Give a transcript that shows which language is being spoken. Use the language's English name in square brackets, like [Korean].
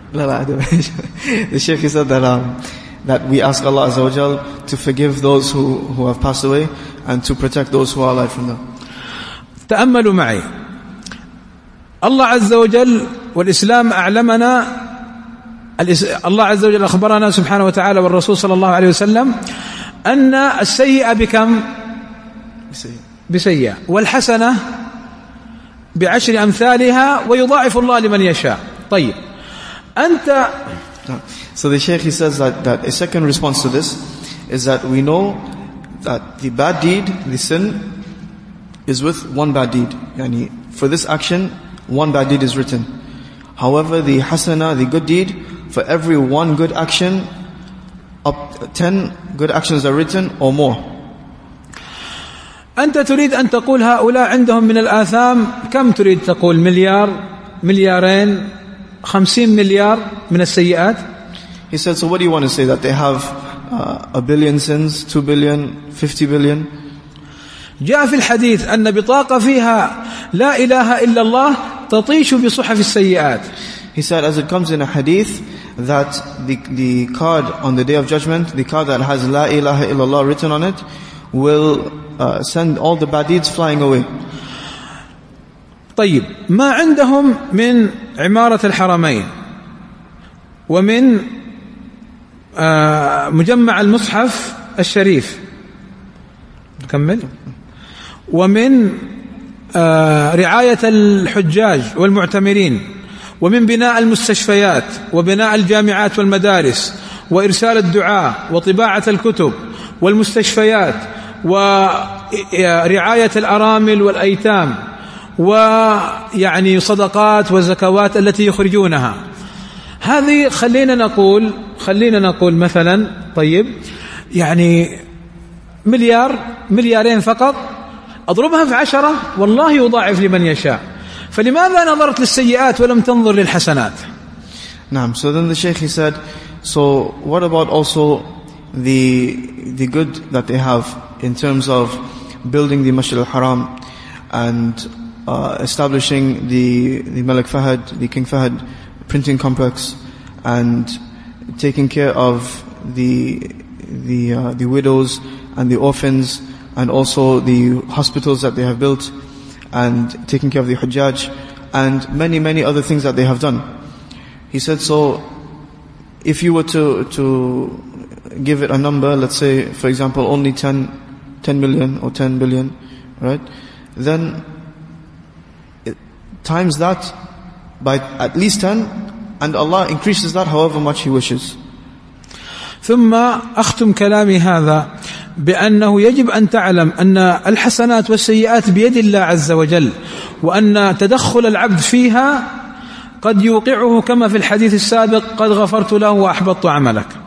[Arabic] لا لا [English] the Shaykh said that we ask Allah Azza wa Jal to forgive those who have passed away and to protect those who are alive from them. [Arabic] تأملوا معي. الله عز وجل والإسلام أعلمنا الله عز وجل أخبرنا سبحانه وتعالى والرسول صلى الله عليه وسلم أن السيئة بكم بسيئة والحسنة بعشر أمثالها ويضاعف الله لمن يشاء. طيب أنت. [English] So the Shaykh, he says that a second response to this is that we know that the bad deed, the sin, is with one bad deed. يعني for this action, one bad deed is written. However, the hasana, the good deed, for every one good action, up 10 good actions are written or more. [Arabic] أنت تريد أن تقول هؤلاء عندهم من الآثام كم تريد تقول مليار مليارين 50 مليار من السيئات. [English] He said, so what do you want to say, that they have a billion sins, 2 billion, 50 billion? [Arabic] جاء في الحديث أن بطاقة فيها لا إله إلا الله تطيش بصحف السيئات. [English] He said, as it comes in a hadith, that the card on the day of judgment, the card that has [Arabic] لا إله إلا الله [English] written on it, will send all the bad deeds flying away. [Arabic] طيب، ما عندهم من عمارة الحرمين ومن مجمع المصحف الشريف، نكمل، ومن رعاية الحجاج والمعتمرين، ومن بناء المستشفيات وبناء الجامعات والمدارس وإرسال الدعاء وطباعة الكتب والمستشفيات ورعاية الأرامل والأيتام، ويعني صدقات وزكوات التي يخرجونها، هذه خلينا نقول مثلا، طيب يعني مليار، مليارين فقط، أضربها في عشرة والله يضاعف لمن يشاء، فلماذا نظرت للسيئات ولم تنظر للحسنات؟ نعم. [English] So then the sheikh, he said, so what about also the good that they have in terms of building the Masjid al-Haram and establishing the Malik Fahad, the King Fahad printing complex, and taking care of the widows and the orphans, and also the hospitals that they have built, and taking care of the Hujjaj, and many, many other things that they have done. He said, so if you were to give it a number, let's say, for example, only 10 million or 10 billion, right? Then times that by at least 10, and Allah increases that however much He wishes. [Arabic] ثم أختم كلامي هذا بأنه يجب أن تعلم أن الحسنات والسيئات بيد الله عز وجل، وأن تدخل العبد فيها قد يوقعه كما في الحديث السابق، قد غفرت له وأحبطت عملك.